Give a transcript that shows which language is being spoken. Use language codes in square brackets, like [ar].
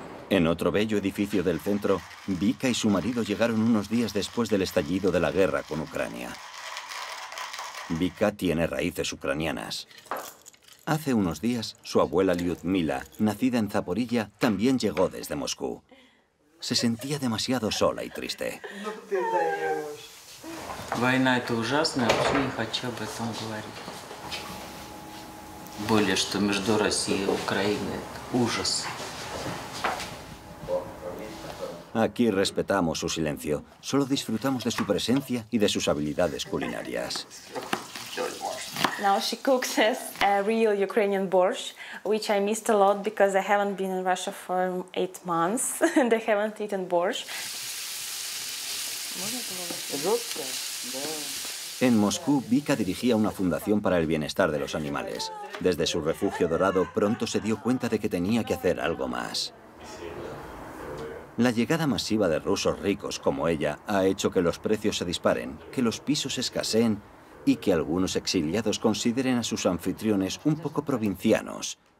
[es] En otro bello edificio del centro, Vika y su marido llegaron unos días después del estallido de la guerra con Ucrania. Vika tiene raíces ucranianas. Hace unos días, su abuela Lyudmila, nacida en Zaporilla, también llegó desde Moscú. Se sentía demasiado sola y triste. [ru] Война – это ужасно, я не хочу об этом говорить. Более, что между Россией и Украиной – это ужас. [es] Aquí respetamos su silencio. Solo disfrutamos de su presencia y de sus habilidades culinarias. [en] Now she cooks us a real Ukrainian borscht, which I missed a lot because I haven't been in Russia for 8 months and I haven't eaten borscht. [es] En Moscú, Vika dirigía una fundación para el bienestar de los animales. Desde su refugio dorado, pronto se dio cuenta de que tenía que hacer algo más. La llegada masiva de rusos ricos como ella ha hecho que los precios se disparen, que los pisos escaseen y que algunos exiliados consideren a sus anfitriones un poco provincianos.